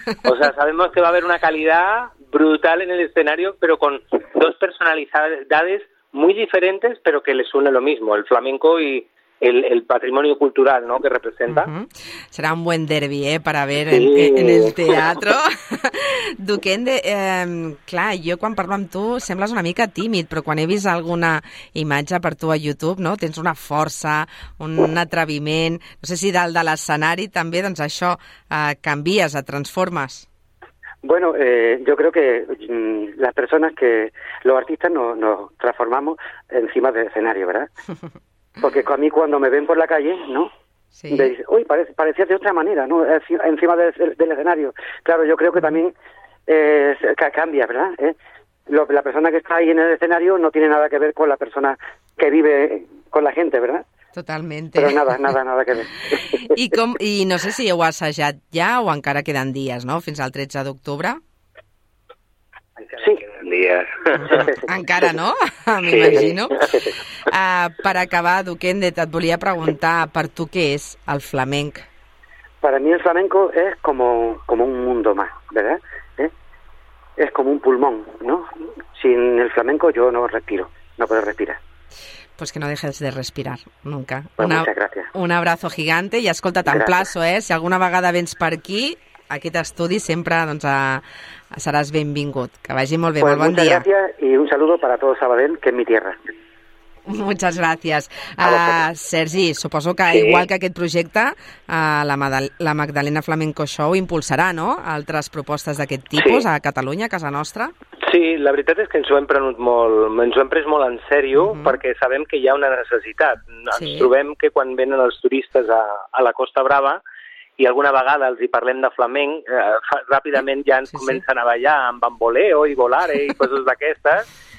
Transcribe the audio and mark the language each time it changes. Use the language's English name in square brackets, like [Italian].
[Spanish] O sea, sabemos que va a haber una calidad brutal en el escenario, pero con dos personalidades muy diferentes, pero que les une lo mismo, el flamenco y el patrimonio cultural, ¿no?, que representa. Uh-huh. Será un buen derbi, ¿eh?, para ver sí. En el teatro. [Catalan] Duquende, clar, jo quan parlo amb tu sembles una mica tímid, però quan he vist alguna imatge per tu a YouTube, no?, tens una força, un atreviment, no sé si dalt de l'escenari també, doncs això, canvies, et transformes. [Spanish] Bueno, yo creo que las personas que, los artistas nos transformamos encima del escenario, ¿verdad? Porque a mí cuando me ven por la calle, ¿no? Sí. Me dicen, uy, parecía de otra manera, ¿no? Encima del escenario. Claro, yo creo que también cambia, ¿verdad? La persona que está ahí en el escenario no tiene nada que ver con la persona que vive con la gente, ¿verdad? Totalmente. Pero nada que ver. [Catalan] I no sé si heu assajat ja o encara queden dies, no? Fins al 13 d'octubre. Sí. Queden dies. Encara no? M'imagino. Per acabar, Duquende, et volia preguntar, per tu què és el flamenc? [Spanish] Para mí el flamenco es como un mundo más, ¿verdad? Es como un pulmón, ¿no? Sin el flamenco yo no respiro, no puedo respirar. Pues que no dejes de respirar, nunca. Pues muchas gracias. Un abrazo gigante y [Catalan] escolta, t'emplaço, [Spanish] ¿eh? [Catalan] Si alguna vegada vens per aquí, aquest estudi sempre doncs, seràs benvingut. Que vagi molt bé, [Spanish] pues [Catalan] molt bon dia. [Spanish] Muchas gracias y un saludo para todo Sabadell, que es mi tierra. Muchas gracias. [Catalan] Sergi, suposo que sí. Igual que aquest projecte, la Magdalena Flamenco Show impulsarà, no?, altres propostes d'aquest tipus sí. A Catalunya, a casa nostra. Sí, la veritat és que ens ho hem pres molt en sèrio uh-huh. perquè sabem que hi ha una necessitat. Ens sí. trobem que quan venen els turistes a la Costa Brava i alguna vegada els hi parlem de flamenc, ràpidament ja ens sí, comencen sí. a ballar amb bamboleo i volare i coses d'aquestes.